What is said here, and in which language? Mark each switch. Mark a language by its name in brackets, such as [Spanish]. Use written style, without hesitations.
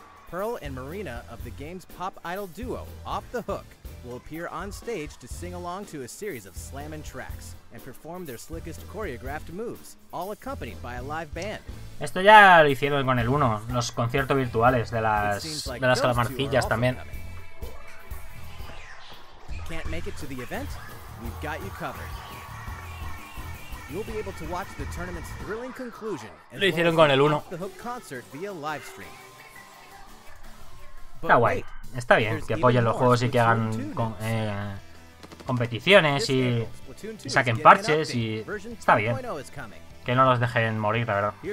[English] Pearl and Marina of the game's pop idol duo, Off the Hook, will appear on stage to sing along to a series of slamming tracks and perform their slickest choreographed moves, all accompanied by a live band. [Spanish] Esto ya lo hicieron con el 1, los conciertos virtuales de las calamarcillas también. [English] Can't make it to the event? We've got you covered. You'll be able to watch the tournament's thrilling conclusion. [Spanish] Lo hicieron con el 1. [English] The Hook concert via live stream. [Spanish] Está guay, está bien que apoyen los juegos y que hagan competiciones y saquen parches y está bien que no los dejen morir, la verdad.